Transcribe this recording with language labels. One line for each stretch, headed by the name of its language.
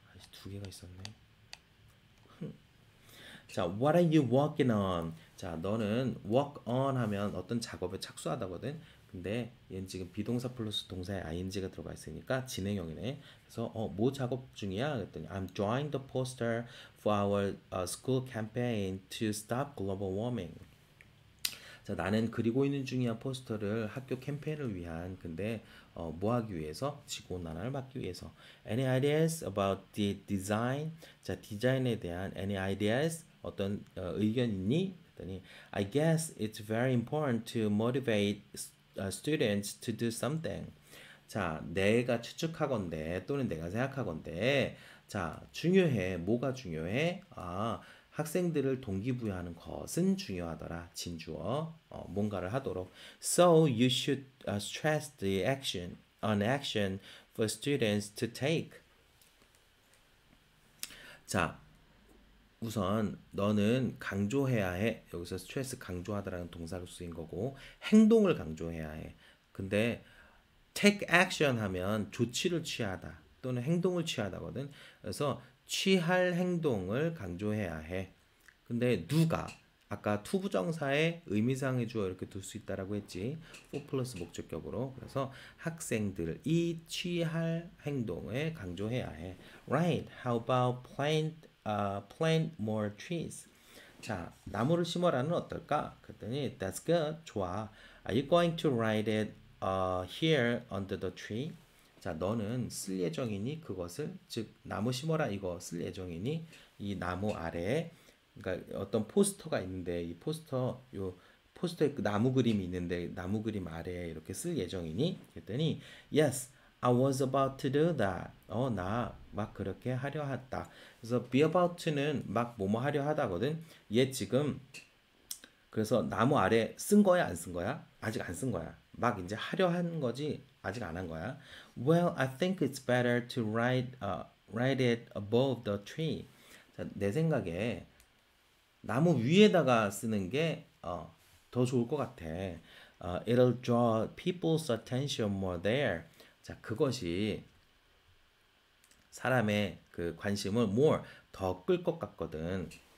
Korean: 두 개가 있었네. 자,
English: what are you working on?
Korean: 자, 너는 work on 하면 어떤 작업에 착수하다거든. 근데 얘는 지금 비동사 플러스 동사에 ing가 들어가 있으니까 진행형이네. 그래서 뭐 작업 중이야? 그랬더니
English: I'm drawing the poster for our school campaign to stop global warming.
Korean: 자, 나는 그리고 있는 중이야 포스터를 학교 캠페인을 위한. 근데 뭐 하기 위해서? 지구온난화를 막기 위해서.
English: Any ideas about the design?
Korean: 자, 디자인에 대한
English: any ideas?
Korean: 어떤 의견 있니? 그랬더니
English: I guess it's very important to motivate students to do something.
Korean: 자, 내가 추측하건대 또는 내가 생각하건대 자, 중요해. 뭐가 중요해? 학생들을 동기부여하는 것은 중요하더라. 진주어. 뭔가를 하도록.
English: So you should stress an action for students to take. 자,
Korean: 우선 너는 강조해야 해. 여기서 스트레스 강조하다라는 동사로 쓰인 거고 행동을 강조해야 해. 근데 take action 하면 조치를 취하다 또는 행동을 취하다거든. 그래서 취할 행동을 강조해야 해. 근데 누가 아까 to 부정사의 의미상의 주어 이렇게 둘수 있다라고 했지. for 플러스 목적격으로. 그래서 학생들 이 취할 행동에 강조해야 해.
English: Right. How about plant more trees?
Korean: 자, 나무를 심어라는 어떨까? 그랬더니
English: that's good.
Korean: 좋아.
English: Are you going to write it here under the tree?
Korean: 자, 너는 쓸 예정이니 그것을 즉 나무 심어라 이거 쓸 예정이니 이 나무 아래에 그러니까 어떤 포스터가 있는데 이 포스터 요 포스터에 그 나무 그림이 있는데 나무 그림 아래에 이렇게 쓸 예정이니 그랬더니
English: yes I was about to do that.
Korean: 나막 그렇게 하려 했다. 그래서 be about는 막 뭐뭐 하려 하다거든. 얘 지금 그래서 나무 아래 쓴 거야 안쓴 거야? 아직 안쓴 거야. 막 이제 하려 한 거지 아직 안한 거야.
English: Well, I think it's better to write it above the tree.
Korean: 자, 내 생각에 나무 위에다가 쓰는 게 더 좋을 것 같아.
English: It'll draw people's attention more there.
Korean: 자, 그것이 사람의 그 관심을 more 더끌것 같거든.